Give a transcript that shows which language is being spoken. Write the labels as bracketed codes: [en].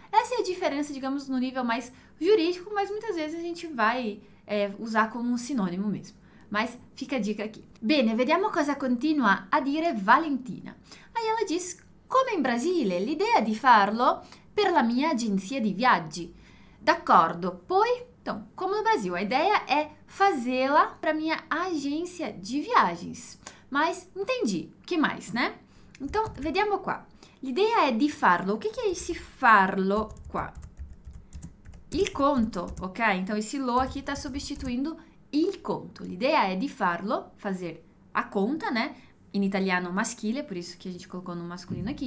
[pt] Essa é a diferença, digamos, no nível mais jurídico, mas muitas vezes a gente vai usar como um sinônimo mesmo. Mas fica a dica aqui. [it] Bene, vediamo cosa continua a dire Valentina. [pt] Aí ela diz, [it] come in Brasile, l'idea di farlo per la mia agenzia di viaggi. D'accordo, poi... [pt] Então, como no Brasil, a ideia é fazê-la para minha agência de viagens. Mas, entendi, que mais, né? Então, [it] vediamo qua. L'idea è di farlo. [pt] O que é esse farlo qua? [it] Il conto, ok? [pt] Então, esse lo aqui está substituindo il conto. [it] L'idea è di farlo, [pt] fazer a conta, né? Em italiano, maschile, por isso que a gente colocou no masculino aqui.